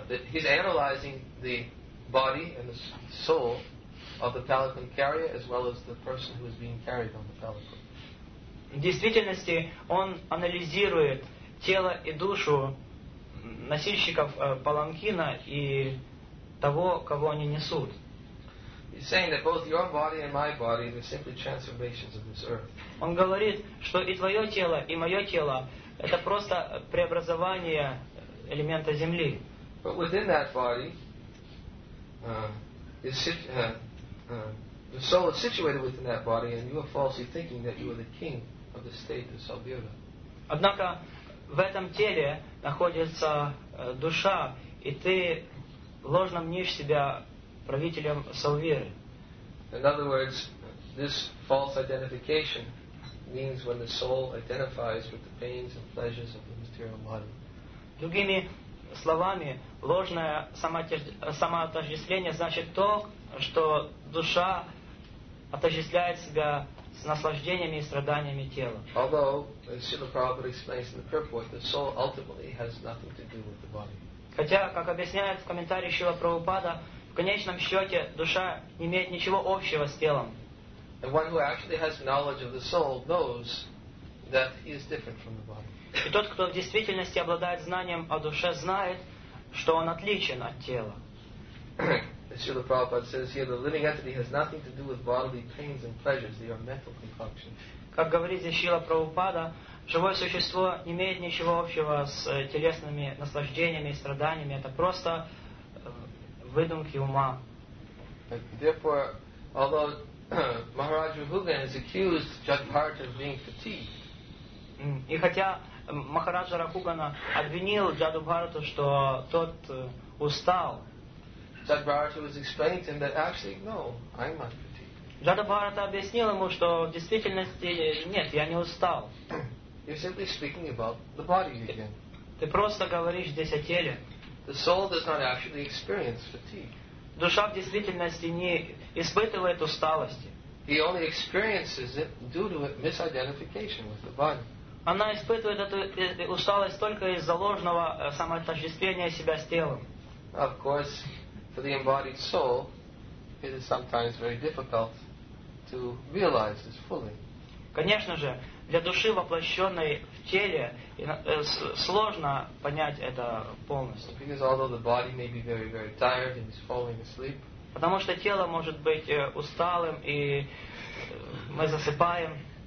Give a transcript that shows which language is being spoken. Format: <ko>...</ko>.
<en>He's analyzing the body and the soul of the palanquin carrier as well as the person who is being carried on the palanquin.</en> <ru>В действительности он анализирует тело и душу носильщиков паланкина и того, кого они несут.</ru> <en>He's saying that both your body and my body are simply transformations of this earth.</en> <ru>Он говорит, что и твое тело, и мое тело это просто преобразование элемента земли.</ru> <en>But within that body, the soul is situated within that body, and you are falsely thinking that you are the king of the state, the Salbhuta.</en> <ru>Однако в этом теле находится душа, и ты ложно мнишь себя правителем Салвиры.</ru> <en>In other words, this false identification means when the soul identifies with the pains and pleasures of the material body.</en> <ru>Другими словами, ложное самоотождествление значит то, что душа отождествляет себя с наслаждениями и страданиями тела.</ru> <en>Although, as Srila Prabhupada explains in the purport, the soul ultimately has nothing to do with the body.</en> <ru>Хотя, как объясняет в комментарии Шрила Прабхупада, в конечном счете душа не имеет ничего общего с телом.</ru> <en>And one who actually has knowledge of the soul knows that he is different from the body.</en> <ru>И тот, кто в действительности обладает знанием о душе, знает, что он отличен от тела.</ru> <en>Srila Prabhupada says here, the living entity has nothing to do with bodily pains and pleasures, they are mental concoctions.</en> <ru>Как говорит Шрила Прабхупада, живое существо не имеет ничего общего с телесными наслаждениями и страданиями, это просто выдумки ума.</ru> <en>Therefore, although Maharaj Raghuvan has accused Jadbharata of being fatigued,</en> <ru>и хотя Махараджа Рахугана обвинил Джаду Бхарату, что тот устал,</ru> <en>Jadbharata was explaining to him that actually, no, I'm not fatigued.</en> <ru>Джада Бхарата объяснил ему, что в действительности нет, я не устал.</ru> <en>You're simply speaking about the body again.</en> <ru>Ты просто говоришь здесь о теле.</ru> <en>The soul does not actually experience fatigue.</en> <ru>Душа в действительности не испытывает усталости.</ru> <en>He only experiences it due to misidentification with the body.</en> <ru>Она испытывает эту усталость только из-за ложного самоотождествления себя с телом.</ru> <en>Of course, for the embodied soul, it is sometimes very difficult to realize this fully.</en> <ru>Конечно же, для души, воплощенной в теле, сложно понять это полностью.</ru> <en>Because although the body may be very, very tired and is falling asleep,</en> <ru>потому что тело может быть усталым и мы засыпаем.</ru>